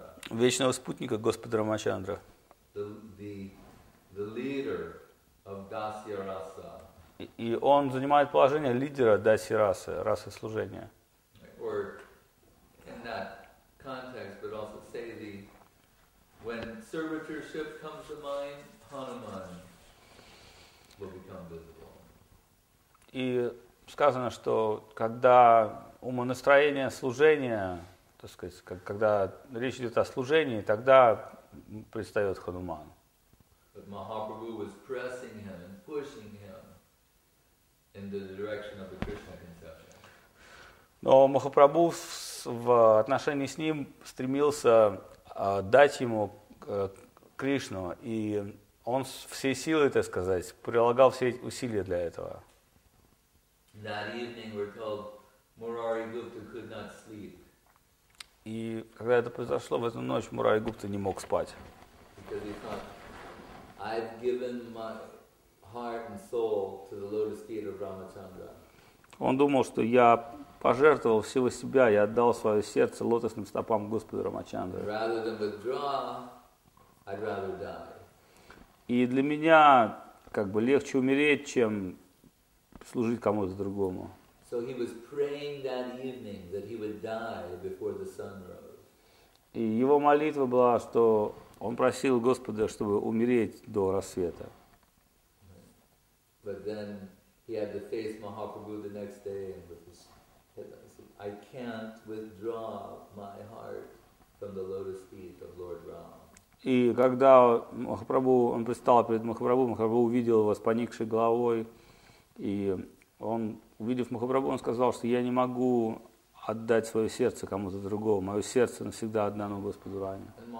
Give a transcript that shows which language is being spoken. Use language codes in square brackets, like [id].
[ru] Вечного спутника Господа Рамачандра. И он занимает положение лидера Даси Расы, расы служения. [en] Or in that context, but also say when servitorship comes to mind, Hanuman will become visible. [ru] И сказано, что когда умонастроение служения, так сказать, когда речь идет о служении, тогда предстает Хануман. [en] But Mahaprabhu was pressing him and pushing him in the direction of the Krishna conception. [ru] Но Махапрабху в отношении с ним стремился дать ему Кришну, и он все силы, так сказать, прилагал все усилия для этого. [en] That evening we're told Murari Gupta could not sleep. [ru] И когда это произошло в эту ночь, Мурари Гупта не мог спать. [en] Because he thought, I've given my heart and soul to the lotus feet of Ramachandra. [ru] Он думал, что я пожертвовал всего себя, я отдал свое сердце лотосным стопам Господа Рамачандры. [en] Rather than withdraw, I'd rather die. [ru] И для меня как бы легче умереть, чем служить кому-то другому. [en] So he was praying that evening that he would die before the sun rose. [ru] И его молитва была, что он просил Господа, чтобы умереть до рассвета. [en] But then he had to face Mahaprabhu the next day and with his head, I can't withdraw my heart from the lotus feet of Lord Ram. [ru] И когда Махапрабху, он предстал перед Махапрабху, Махапрабху увидел его с поникшей головой. И он, увидев Махапрабху, он сказал, что я не могу отдать свое сердце кому-то другому. Мое сердце навсегда отдано Господу Раме.